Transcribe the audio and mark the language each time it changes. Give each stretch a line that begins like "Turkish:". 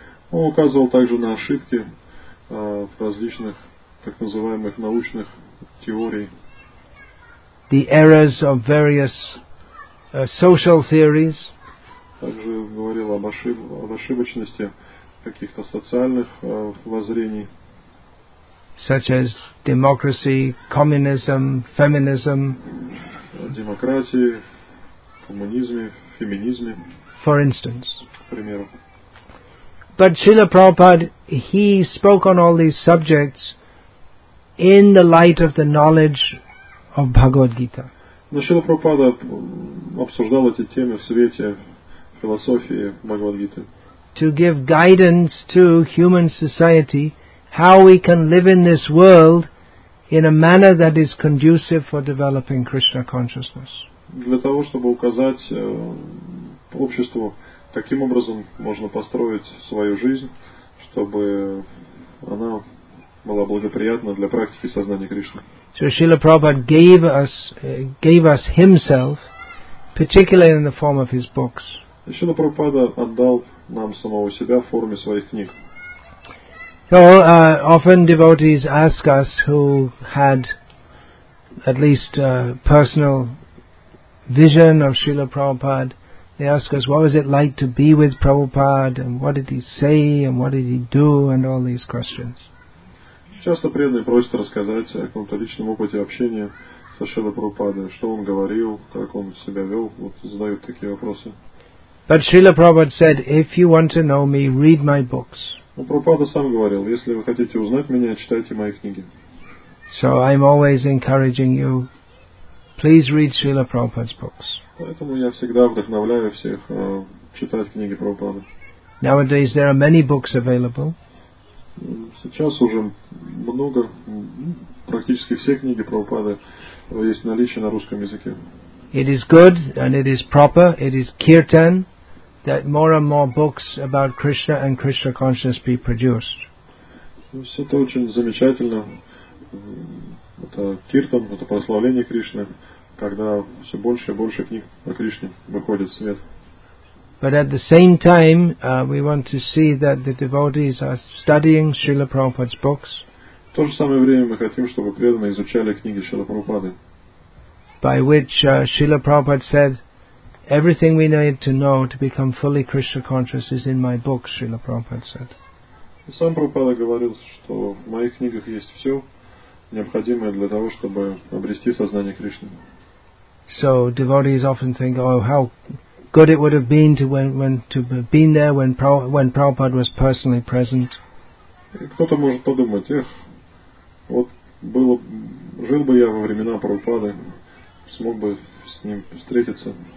Russian: Он указывал также на ошибки в различных так называемых научных теорий.
English: The errors of various social theories.
Russian: Также говорил об ошибочности каких-то социальных воззрений.
English: such as democracy, communism, feminism.
Russian: Демократии, коммунизме, феминизме.
English: For instance.
Russian: К примеру.
English: But Srila Prabhupada, he spoke on all these subjects in the light of the knowledge of Bhagavad Gita.
Russian: Но Шрила Прабхупада обсуждал эти темы в свете философии Бхагавад Гиты.
English: To give guidance to human society, how we can live in this world in a manner that is conducive for developing Krishna consciousness.
Russian: Для того, чтобы указать обществу, каким образом можно построить свою жизнь, чтобы она была благоприятна для практики сознания Кришны.
English: So Srila Prabhupada gave us himself, particularly in the form of his books.
Russian: Srila Prabhupada отдал нам самого себя в форме своих книг.
English: So often devotees ask us who had at least a personal vision of Srila Prabhupada. They ask us, what was it like to be with Prabhupada, and what did he say, and what did he do, and all these questions.
Russian: Часто преданные просят рассказать о каком-то личном опыте общения со Шрилой Прабхупадой, что он говорил, как он себя вел, вот задают такие вопросы.
English: But Srila Prabhupada said, if you want to know me, read my books.
Russian: Но Прабхупада сам говорил, если вы хотите узнать меня, читайте мои книги.
English: So I'm always encouraging you, please read Srila Prabhupada's books.
Russian: Поэтому я всегда вдохновляю всех читать книги Прабхупады.
English: Nowadays there are many books available.
Russian: Сейчас уже много, практически все книги Прабхупады есть в наличии на русском языке.
English: It is good and it is proper, it is kirtan, that more and more books about Krishna and Krishna consciousness be produced.
Russian: Все это очень замечательно. Это киртан, это прославление Кришны, когда все больше и больше книг о Кришне выходит в свет.
English: But at the same time, we want to see that the devotees are studying Srila Prabhupada's books.
Russian: В то же самое время мы хотим, чтобы преданные изучали книги Шрилы Прабхупады.
English: By which Srila Prabhupada said, everything we need to know to become fully Krishna conscious is in my books, Srila Prabhupada said.
Russian: И сам Прабхупада говорил, что в моих книгах есть все необходимое для того, чтобы обрести сознание Кришны.
English: So devotees often think, oh, how good it would have been to have been there when Prabhupada was personally present.
Russian: Кто-то может подумать, эх, вот было, жил бы я во времена Прабхупады, смог бы с ним встретиться.